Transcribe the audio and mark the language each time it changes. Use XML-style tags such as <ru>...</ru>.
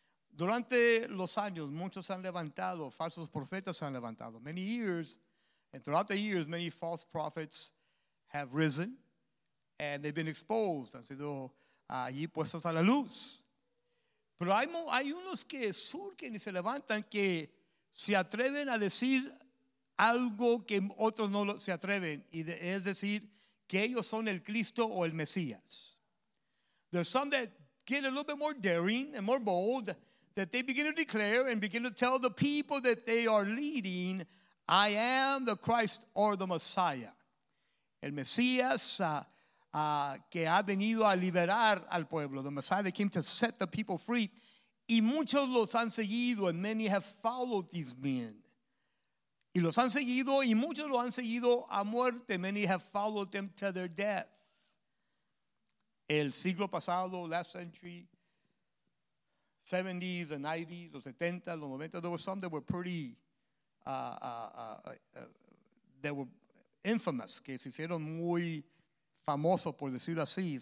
<es>Durante los años, muchos han levantado, falsos profetas han levantado.</es> <en>Many years, and throughout the years, many false prophets have risen, and they've been exposed,</en> <es>han sido allí puestos a la luz. Pero hay unos que surgen y se levantan que se atreven a decir algo que otros no se atreven, y es decir, que ellos son el Cristo o el Mesías.</es> <en>There's some that get a little bit more daring and more bold, that they begin to declare and begin to tell the people that they are leading, I am the Christ or the Messiah.</en> <es>El Mesías que ha venido a liberar al pueblo.</es> <en>The Messiah that came to set the people free.</en> <es>Y muchos los han seguido,</es> <en>and many have followed these men.</en> <es>Y los han seguido, y muchos lo han seguido a muerte.</es> <en>Many have followed them to their death.</en> <es>El siglo pasado,</es> <en>last century, 70s and 90s,</en> <es>los 70s, los 90s,</es> <en>there were some that were pretty, that were infamous,</en> <es>que se hicieron muy famosos, por decirlo así.</es>